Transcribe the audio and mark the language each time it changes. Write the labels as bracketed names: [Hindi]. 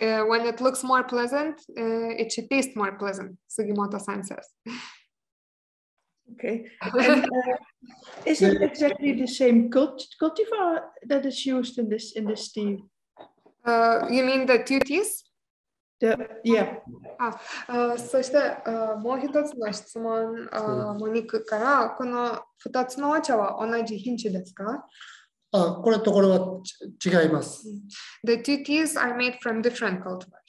[English] When it looks more pleasant, it should taste more pleasant, Sugimoto-san says. Okay. And, is it exactly the same cultivar that is used in this tea? You mean the two teas? Yeah. [Japanese] そして、もう一つの質問、モニクから、この二つのお茶は同じ品種ですか？これとこれは違います。 [English] The two teas are made from different cultivars.